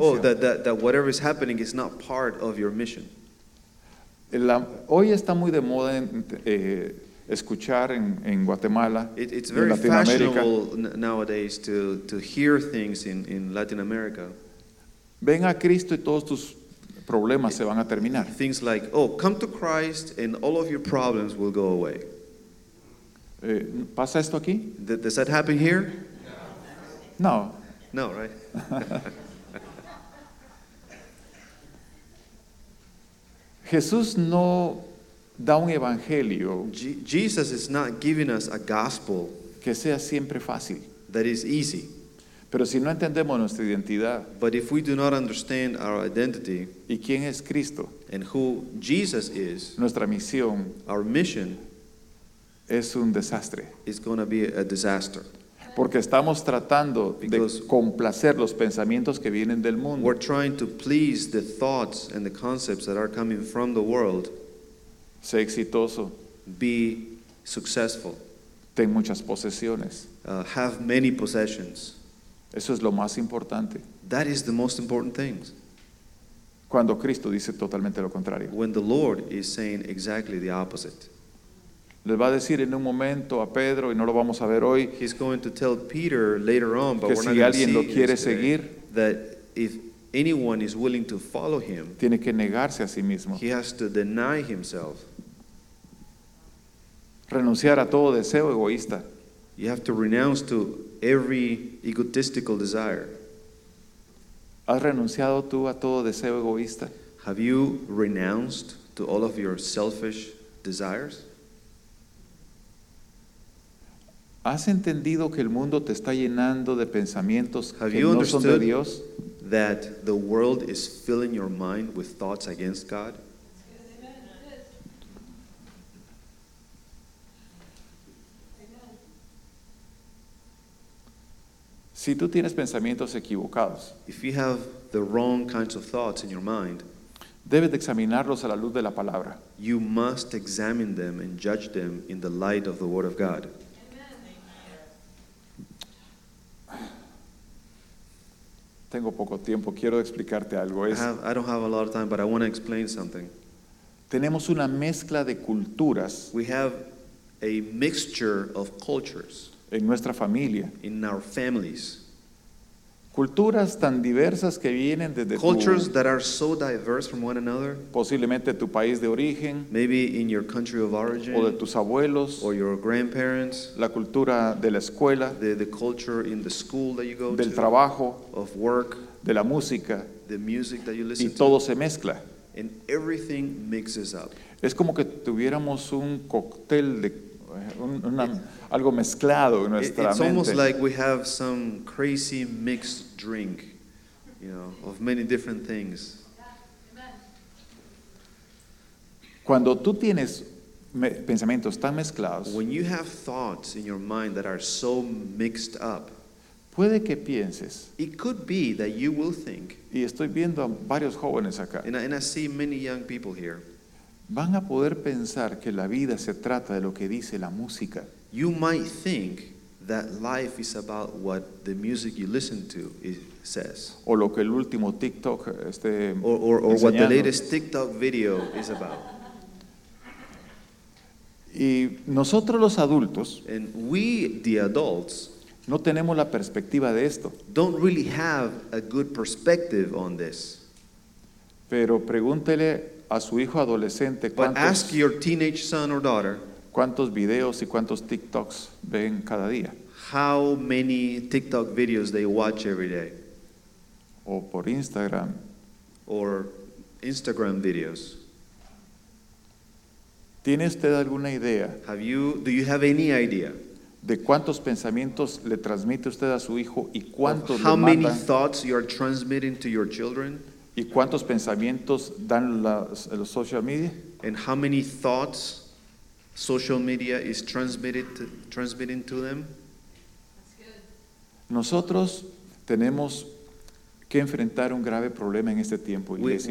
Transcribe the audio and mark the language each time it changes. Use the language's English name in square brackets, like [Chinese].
[English] Oh, that whatever is happening is not part of your mission. [Spanish] Hoy está muy de moda escuchar en Guatemala, [English] it's very fashionable nowadays to hear things in Latin America. [Spanish] Ven a Cristo y todos tus problemas se van a terminar. [English] Things like, oh, come to Christ and all of your problems will go away. [Spanish] ¿Pasa esto aquí? [English] Does that happen here? [Spanish] No. [English] No, right? [Spanish] Jesús no da un evangelio. [English] Jesus is not giving us a gospel [Spanish] que sea siempre fácil. [English] That is easy. [Spanish] Pero si no entendemos nuestra identidad, [English] but if we do not understand our identity, [Spanish] y quién es Cristo, [English] and who Jesus is, [Spanish] nuestra misión, [English] our mission, [Spanish] es un desastre. [English] It's going to be a disaster. [Spanish] Porque estamos tratando de complacer los pensamientos que vienen del mundo. [English] We're trying to please the thoughts and the concepts that are coming from the world. [Spanish] Sé exitoso. [English] Be successful. [Spanish] Ten muchas posesiones. [English] Have many possessions. [Spanish] Eso es lo más importante. [English] That is the most important thing. [Spanish] Cuando Cristo dice totalmente lo contrario. [English] When the Lord is saying exactly the opposite. [Spanish] Le va a decir en un momento a Pedro, y no lo vamos a ver hoy. [English] He's going to tell Peter later on, but [Spanish] que [English] we're [Spanish] si [English] not going [Spanish] alguien [English] to see [Spanish] lo quiere seguir, [English] that if anyone is willing to follow him, [Spanish] tiene que negarse a sí mismo. [English] He has to deny himself. [Spanish] Renunciar a todo deseo egoísta. [English] You have to renounce to every egotistical desire. [Spanish] ¿Has renunciado tú a todo deseo egoísta? [English] Have you renounced to all of your selfish desires? [Spanish] ¿Has entendido que el mundo te está llenando de pensamientos que no son de Dios? [English] That the world is filling your mind with thoughts against God? [Spanish] Si tú tienes pensamientos equivocados, [English] if you have the wrong kinds of thoughts in your mind, [Spanish] debes de examinarlos a la luz de la palabra. [English] You must examine them and judge them in the light of the Word of God. [Spanish] Tengo poco tiempo, quiero explicarte algo. [English] I don't have a lot of time, but I want to explain something. [Spanish] Tenemos una mezcla de culturas. [English] We have a mixture of cultures. [Spanish] En nuestra familia. [English] In our families. [Spanish] Culturas tan diversas que vienen desde [English] cultures that are so diverse from one another, [Spanish] posiblemente tu país de origen, [English] maybe in your country of origin, [Spanish] o de tus abuelos, [English] or your grandparents, [Spanish] la cultura de la escuela, [English] the culture in the school that you go [Spanish] del [English] to, [Spanish] trabajo, [English] of work, [Spanish] de la música, [English] the music that you listen [Spanish] y todo [English] to, [Spanish] se mezcla. [English] And everything mixes up. [Spanish] Es como que tuviéramos un cóctel de algo mezclado en nuestra mente. [English] It's almost like we have some crazy mixed drink, you know, of many different things. [Spanish] Cuando tú tienes pensamientos tan mezclados, [English] when you have thoughts in your mind that are so mixed up, [Spanish] puede que pienses, [English] it could be that you will think, [Spanish] y estoy viendo a varios jóvenes acá, [English] and I see many young people here, [Spanish] van a poder pensar que la vida se trata de lo que dice la música. [English] You might think that life is about what the music you listen to says. [Spanish] O lo que el último TikTok esté [English] or what the latest TikTok video is about. [Spanish] Y nosotros los adultos, [English] and we, the adults, [Spanish] no tenemos la perspectiva de esto. [English] Don't really have a good perspective on this. [Spanish] Pero pregúntele a su hijo adolescente, [English] but ask your teenage son or daughter, [Spanish] ¿cuántos videos y cuántos TikToks ven cada día? [English] How many TikTok videos they watch every day? [Spanish] O por Instagram. [English] Or Instagram videos. [Spanish] ¿Tiene usted alguna idea? [English] Do you have any idea? [Spanish] ¿De cuántos pensamientos le transmite usted a su hijo y cuántos le manda? [English] How many thoughts you are transmitting to your children? [Spanish] ¿Y cuántos pensamientos dan los [English] social media? And how many thoughts social media is transmitting to them? [Spanish] Nosotros tenemos que enfrentar un grave problema en este tiempo, iglesia.